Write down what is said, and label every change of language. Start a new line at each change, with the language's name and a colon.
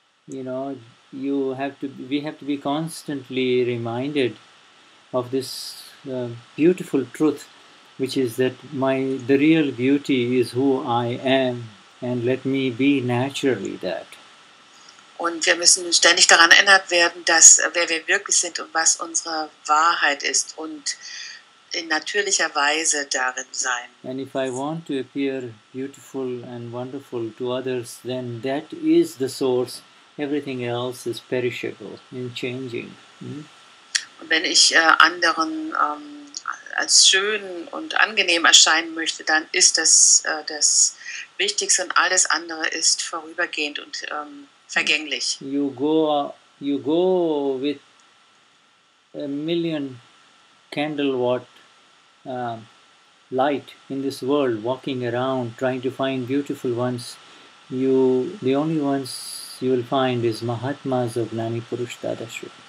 English: We have to be constantly reminded of this beautiful truth, which is that the real beauty is who I am, and let me be naturally that.
German: Und wir müssen ständig daran erinnert werden, dass wer wir wirklich sind und was unsere Wahrheit ist, und in natürlicher Weise darin sein.
English: And if I want to appear beautiful and wonderful to others, then that is the source. Everything else is perishable and changing.
German: Und wenn ich anderen als schön und angenehm erscheinen möchte, dann ist das das Wichtigste, und alles andere ist vorübergehend und vergänglich.
English: You go with a million candlewatt light in this world, walking around, trying to find beautiful ones. The only ones you will find is Mahatmas of Gnani Purush Dadashri.